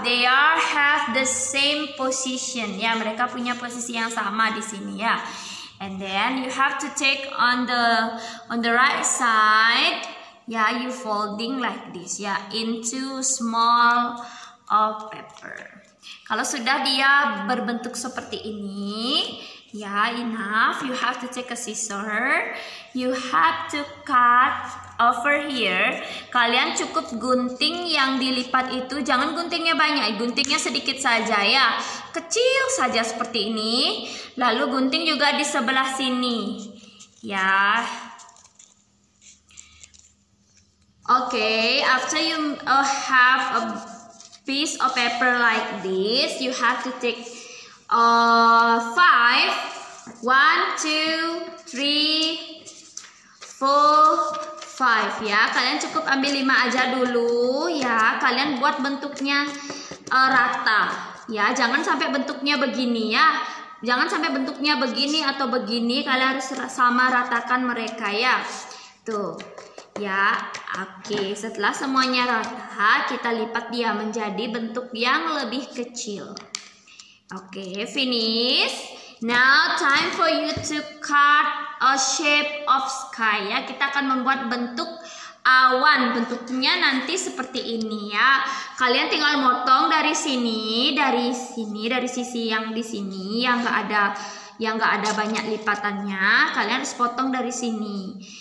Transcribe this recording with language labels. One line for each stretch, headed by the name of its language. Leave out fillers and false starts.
English: They are have the same position ya,
Indonesian: mereka punya posisi yang sama di sini ya.
English: And then you have to take on the right side ya, you folding like this ya, into small of paper.
Indonesian: Kalau sudah dia berbentuk seperti ini ya, enough.
English: You have to take a scissor. You have to cut over here.
Indonesian: Kalian cukup gunting yang dilipat itu. Jangan guntingnya banyak. Guntingnya sedikit saja ya. Kecil saja seperti ini. Lalu gunting juga di sebelah sini. Ya.
English: Okay. After you have a piece of paper like this, you have to take 5 1 2 3 4 5 ya.
Indonesian: Kalian cukup ambil 5 aja dulu ya. Kalian buat bentuknya rata ya, jangan sampai bentuknya begini ya, jangan sampai bentuknya begini atau begini. Kalian harus sama ratakan mereka ya tuh ya. Oke, setelah semuanya rata, kita lipat dia menjadi bentuk yang lebih kecil.
English: Oke, finish. Now time for you to cut a shape of sky ya.
Indonesian: Kita akan membuat bentuk awan, bentuknya nanti seperti ini ya. Kalian tinggal motong dari sini, dari sini, dari sisi yang di sini yang enggak ada, yang enggak ada banyak lipatannya. Kalian harus potong dari sini.